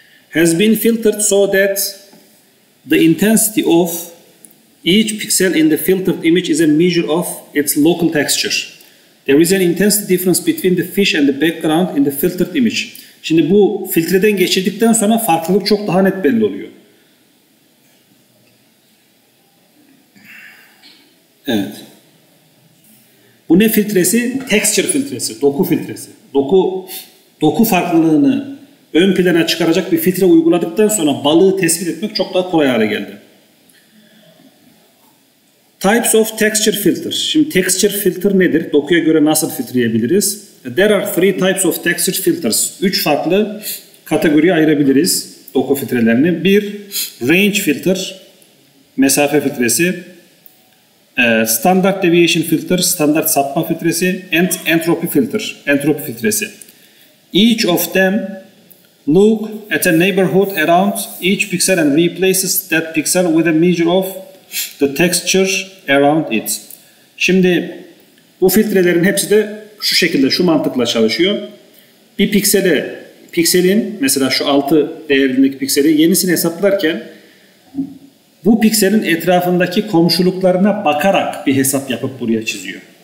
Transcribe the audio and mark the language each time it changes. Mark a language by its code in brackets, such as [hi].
[en] Has been filtered so that the intensity of each pixel in the filtered image is a measure of its local texture. There is an intensity difference between the fish and the background in the filtered image. [tr] Şimdi bu filtreden geçirdikten sonra farklılık çok daha net belli oluyor. Evet. Bu ne filtresi? Texture filtresi, doku filtresi. Doku farklılığını ön plana çıkaracak bir filtre uyguladıktan sonra balığı tespit etmek çok daha kolay hale geldi. [en] Types of texture filter. [tr] Şimdi texture filter nedir? Dokuya göre nasıl filtreleyebiliriz? [en] There are three types of texture filters. [tr] Üç farklı kategoriye ayırabiliriz doku filtrelerini. Bir, range filter, mesafe filtresi. [en] Standard deviation filter, standart sapma filtresi. And entropy filter, entropy filtresi. Each of them look at a neighborhood around each pixel and replaces that pixel with a measure of the texture around it. [tr] Şimdi bu filtrelerin hepsi de şu şekilde, şu mantıkla çalışıyor. Bir piksele, pikselin mesela şu 6 değerindeki pikseli yenisini hesaplarken bu pikselin etrafındaki komşuluklarına bakarak bir hesap yapıp buraya çiziyor.